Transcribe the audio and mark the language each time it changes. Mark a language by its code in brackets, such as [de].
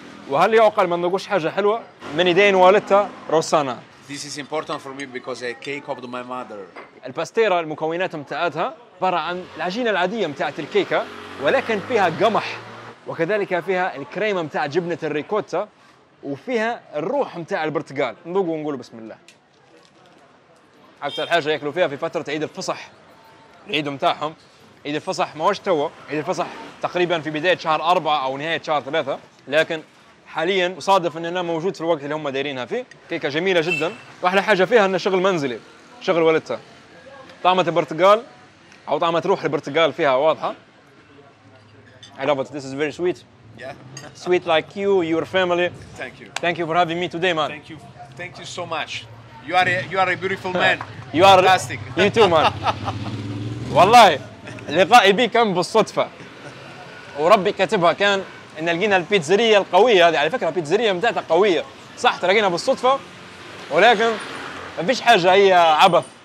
[ar] وهل يعقل ما نقولش حاجة حلوة من يدين والدتها روسانا. [en] This is important for me because a cake of my mother. [ar] الباستيرا المكونات متاعتها عبارة عن العجينة العادية متاعت الكيكة ولكن فيها قمح وكذلك فيها الكريمة متاع جبنة الريكوتا وفيها الروح متاع البرتقال. نذوق ونقول بسم الله. أكثر حاجة يأكلوا فيها في فترة عيد الفصح عيد متاعهم عيد الفصح ما هوش توا عيد الفصح تقريبا في بداية شهر 4 أو نهاية شهر 3 لكن حاليا وصادف أننا موجود في الوقت اللي هم دايرينها فيه كيكة جميلة جدا وأحلى حاجة فيها أنه شغل منزلي شغل والدتها طعمة البرتقال أو طعمة روح البرتقال فيها واضحة [en] I love it, this is very sweet Yeah Sweet like you, your family Thank you for having me today man Thank you so much You are a beautiful man. You are fantastic. You too, man. [ar] والله لقائي بي كان بالصدفة. وربي كتبها كان إن لقينا البيتزرية القوية هذه على فكرة البيتزرية متاعتها قوية. صح تلاقينا بالصدفة ولكن ما فيش حاجة هي عبث.